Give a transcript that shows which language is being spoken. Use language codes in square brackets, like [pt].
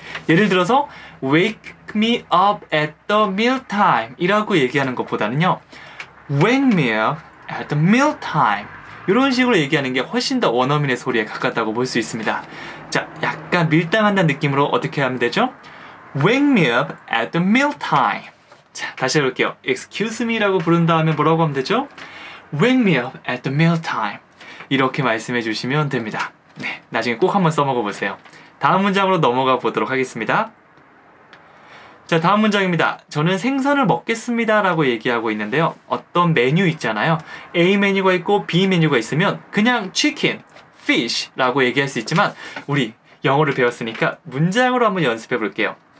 [ko] 예를 들어서 [en] wake me up at the meal time [ko] 이라고 얘기하는 것보다는요 wake me up at the meal time 이런 식으로 얘기하는 게 훨씬 더 원어민의 소리에 가깝다고 볼 수 있습니다. 자, 약간 밀당한다는 느낌으로 어떻게 하면 되죠? [en] Wake me up at the meal time. [ko] 자, 다시 해볼게요. [en] Excuse me [ko] 라고 부른 다음에 뭐라고 하면 되죠? [en] Wake me up at the meal time. [ko] 이렇게 말씀해 주시면 됩니다. 네, 나중에 꼭 한번 써먹어 보세요. 다음 문장으로 넘어가 보도록 하겠습니다. 자, 다음 문장입니다. 저는 생선을 먹겠습니다 라고 얘기하고 있는데요. 어떤 메뉴 있잖아요. A 메뉴가 있고 B 메뉴가 있으면 그냥 치킨, fish 라고 얘기할 수 있지만 우리 영어를 배웠으니까 문장으로 한번 연습해 볼게요.